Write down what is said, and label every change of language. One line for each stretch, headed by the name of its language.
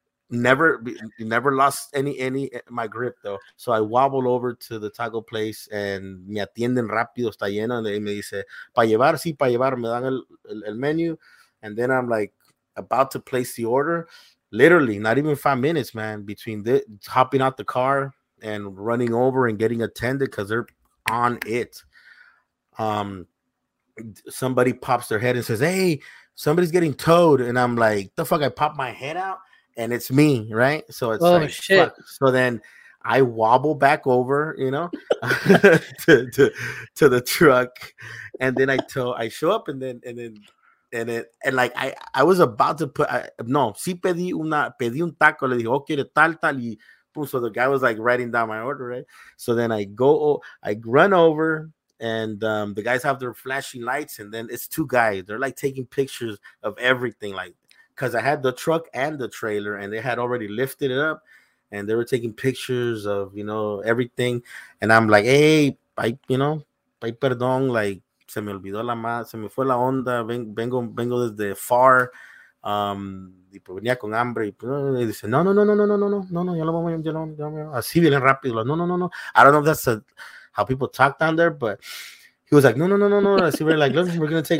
English: Never lost any my grip though. So I wobble over to the taco place and
Spanish: me atienden rápido, está lleno.
English: And they
Spanish: me dice, para llevar, sí, para llevar, me dan el menu.
English: And then I'm like about to place the order. Literally, not even 5 minutes, man, between hopping out the car and running over and getting attended because they're on it. Somebody pops their head and says, hey, somebody's getting towed. And I'm like, the fuck, I popped my head out. And it's me, right? So it's shit. So then I wobble back over, you know, to the truck. And then I show up and then I was about to put,
Spanish: pedí un taco. Le dije, okay, tal, tal. Y,
English: boom, so the guy was like writing down my order, right? So then I run over and the guys have their flashing lights. And then it's two guys. They're like taking pictures of everything, like, because I had the truck and the trailer and they had already lifted it up and they were taking pictures of, you know, everything. And I'm like, hey,
Spanish: ay, perdón, like, se me olvidó la más, se me fue la onda, vengo desde far. Venía con hambre. Y dice, no, ya lo voy, así bien rápido.
English: Like, no. I don't know if that's how people talk down there, but he was like, no. Así, we're like, look, we're going to take.